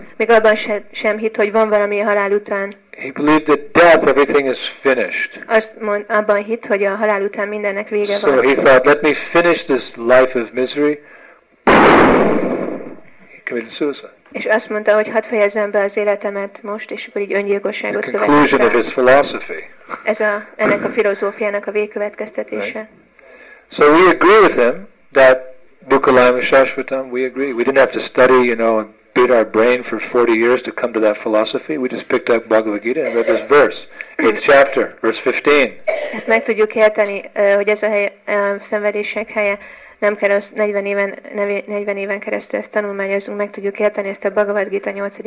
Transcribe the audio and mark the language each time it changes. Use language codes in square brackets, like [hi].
[hu] Még abban sem hitt, hogy van valami halál után. [en] He believed that death, everything is finished. [hu] Abban hitt, hogy a halál után mindennek vége van. [en] So he thought, let me finish this life of misery. [hu] És azt mondta, hogy hadd fejezzem be az életemet most, és akkor így öngyilkosságot követett. [en] The conclusion of his philosophy. [hu] Ennek a filozófiának a végkövetkeztetése. [en] Right. So we agree with him that [sa] dukkhalayam ashashvatam, [en] we agree. We didn't have to study, you know, and beat our brain for 40 years to come to that philosophy. We just picked up Bhagavad Gita and read this verse, 8th chapter, verse 15. [hu] Ezt meg tudjuk érteni, hogy ez a szenvedések helye. Nem kell az 40 éven keresztül ezt tanulmányozunk, meg tudjuk érteni ezt a Bhagavad Gita 8.